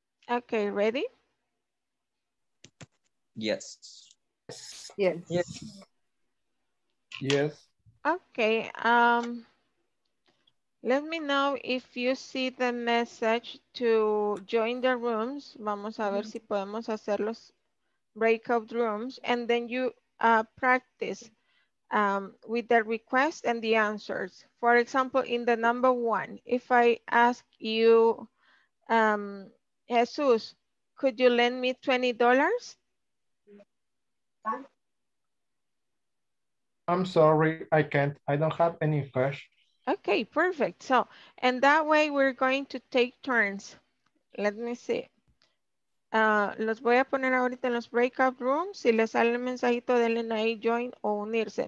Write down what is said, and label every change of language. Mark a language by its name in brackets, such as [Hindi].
[English] Okay, ready? Yes. Yes. Yes. Okay. Let me know if you see the message to join the rooms. [Spanish] Vamos a ver si podemos hacer los breakout rooms. [English] And then you practice with the request and the answers. For example, in the number one, if I ask you, Jesus, could you lend me $20? I'm sorry, I can't. I don't have any cash. Okay, perfect. So, and that way we're going to take turns. Let me see. [Spanish] Los voy a poner ahorita en los breakout rooms. Si les sale el mensajito, denle ahí join o unirse.